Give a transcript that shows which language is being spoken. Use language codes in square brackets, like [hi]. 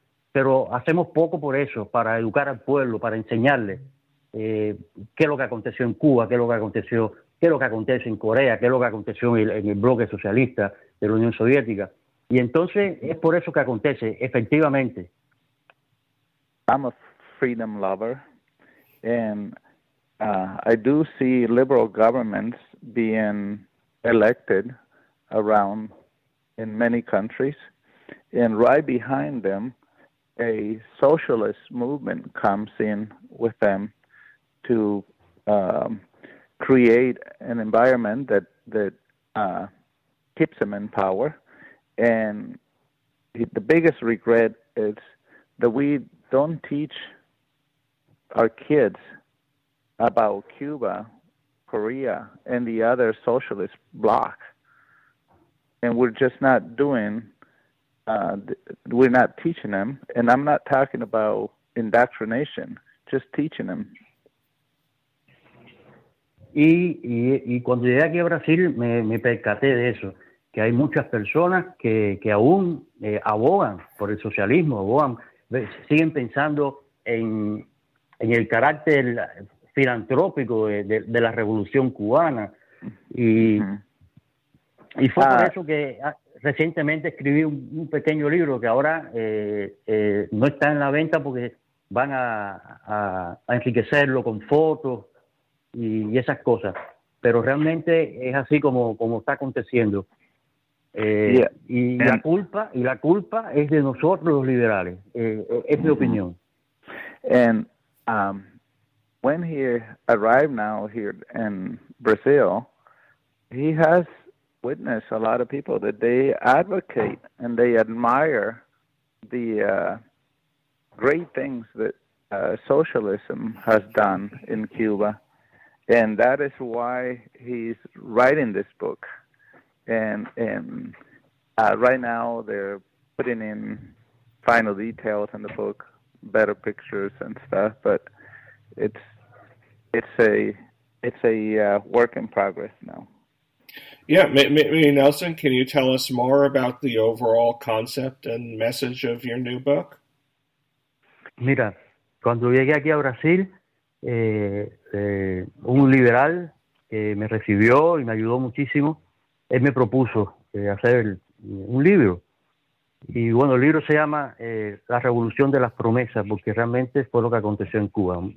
[es] pero hacemos poco por eso, para educar al pueblo, para enseñarle qué es lo que aconteció en Cuba, qué es lo que acontece en Corea, qué es lo que aconteció en el bloque socialista de la Unión Soviética. Y entonces es por eso que acontece, efectivamente. [en] I'm a freedom lover, and I do see liberal governments being elected around in many countries, and right behind them, a socialist movement comes in with them to create an environment that keeps them in power. And the biggest regret is that we don't teach our kids about Cuba, Korea, and the other socialist bloc. And we're just not doing, we're not teaching them. And I'm not talking about indoctrination, just teaching them. [es] Y cuando llegué aquí a Brasil me percaté de eso, que hay muchas personas que aún abogan por el socialismo, siguen pensando en el carácter filantrópico de la revolución cubana. Y fue por eso que recientemente escribí un pequeño libro que ahora no está en la venta porque van a enriquecerlo con fotos y esas cosas, pero realmente es así como está aconteciendo. La culpa es de nosotros los liberales, es mi opinión. [en] And when he arrived now here in Brazil, he has witnessed a lot of people that they advocate and they admire the great things that socialism has done in Cuba. And that is why he's writing this book. And right now they're putting in final details in the book, better pictures and stuff. But it's a work in progress now. Yeah, maybe Nelson, can you tell us more about the overall concept and message of your new book? [es] Mira, cuando llegué aquí a Brasil, un liberal que me recibió y me ayudó muchísimo, él me propuso hacer un libro. Y bueno, el libro se llama La Revolución de las Promesas, porque realmente fue lo que aconteció en Cuba.